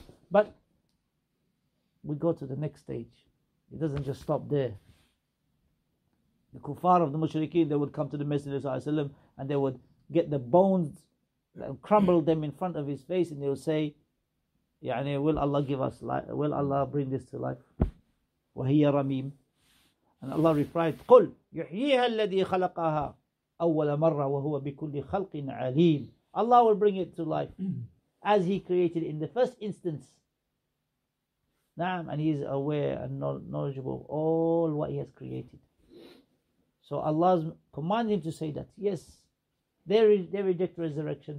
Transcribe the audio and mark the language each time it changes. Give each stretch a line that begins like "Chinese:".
English: But we go to the next stage. It doesn't just stop there. The kuffar of the mushrikeen, they would come to the Messenger sallallahu alayhi wa sallam and they would get the bones and crumble them in front of his face and they would say, يعني, will Allah give us life? Will Allah bring this to life?
Arabic: وَهِيَ رَمِيمٌ.
English: And Allah replied,
Arabic: قُلْ يُحْيِيهَا الَّذِي خَلَقَهَا أَوَّلَ مَرَّةً وَهُوَ بِكُلِّ خَلْقٍ عَلِيمٌ.
English: Allah will bring it to life as he created in the first instance. Na'am, and he is aware and knowledgeable of all what he has created. So Allah commanded him to say that. Yes, they reject resurrection.